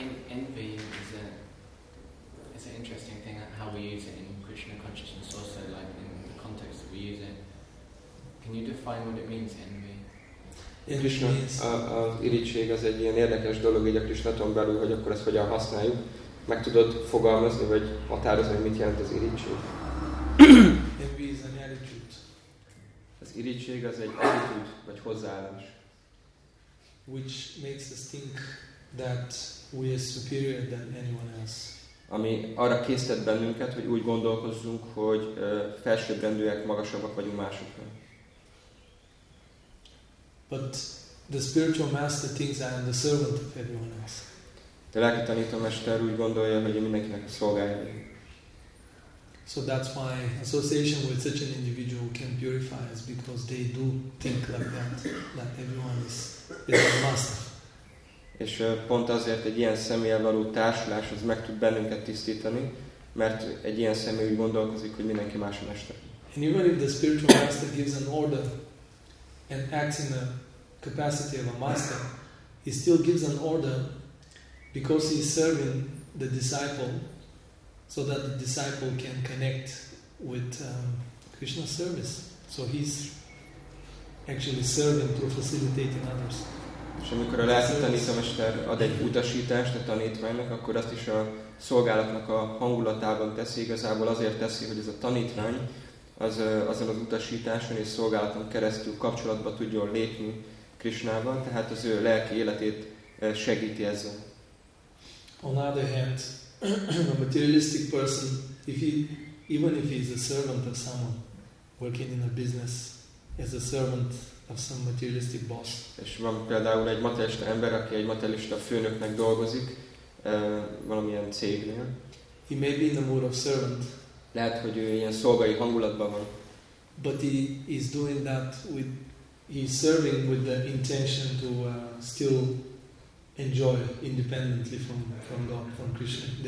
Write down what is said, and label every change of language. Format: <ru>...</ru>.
<en>Envy is an interesting thing, how we use it in Krishna consciousness, also like in the context that we use it. Can you define what it means, envy?</en> <hu>Krishna, az irigység az egy ilyen érdekes dolog így a Krishnaton belül, hogy akkor ezt hogyan használjuk. Meg tudod fogalmazni, vagy határozni, hogy mit jelent az irigység?</hu> <en>Envy is an attitude.</en> <hu>Az irigység az egy attitude, vagy hozzáállás.</hu> <en>Which makes us think that we are superior than anyone else.</en> <hu>Ami arra késztet bennünket, hogy úgy gondolkozzunk, hogy felsőbbrendűek, magasabbak vagyunk másoknál.</hu> <en>But the spiritual master thinks I am the servant of everyone else.</en> <hu>De a lelki tanítómester úgy gondolja, hogy én mindenkinek a szolgája vagyok.</hu> <en>So that's why association with such an individual can purify us, because they do think like that, that everyone is a master.</en> <hu>És pont azért egy ilyen személlyel való társulás az meg tud bennünket tisztítani, mert egy ilyen személy úgy gondolkozik, hogy mindenki más a mester.</hu> <en>And even if the spiritual master gives an order and acts in the capacity of a master, he still gives an order because he is serving the disciple, so that the disciple can connect with Krishna's service. So he's actually serving through facilitating others.</en> <hu>És amikor a lelki tanítómester ad egy utasítást a tanítványnak, akkor azt is a szolgálatnak a hangulatában teszi, igazából azért teszi, hogy ez a tanítvány azon az utasításon és szolgálaton keresztül kapcsolatba tudjon lépni Krishnával, tehát az ő lelki életét segíti ezzel.</hu> <en>On the other hand, a materialistic person, even if he is a servant of someone, working in a business as a servant of some materialistic boss.</en> <hu>És van például egy materialista ember, aki egy materialista főnöknek dolgozik valamilyen cégnél.</hu> <en>He may be in the mood of servant.</en> <hu>Lehet, hogy ő ilyen szolgai hangulatban van.</hu> <en>But he is doing that with, he is serving with the intention to still enjoy independently from God, from Krishna.</en>